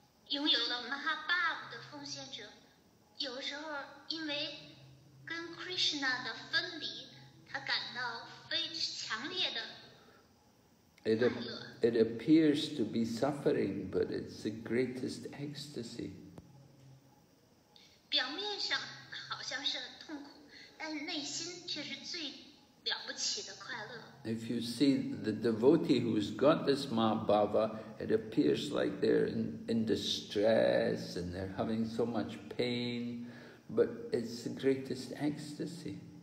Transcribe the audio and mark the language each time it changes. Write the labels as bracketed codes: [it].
[zh] 拥有了Mahabhava的奉献者，有时候因为跟Krishna的分离，他感到非常强烈的快乐。It [en] appears to be suffering, but it's the greatest ecstasy. [zh] 表面上好像是痛苦，但内心却是最了不起的快乐。If [en] you see the devotee who's got this Mahabhava, it appears like they're in distress and they're having so much pain, but it's the greatest ecstasy.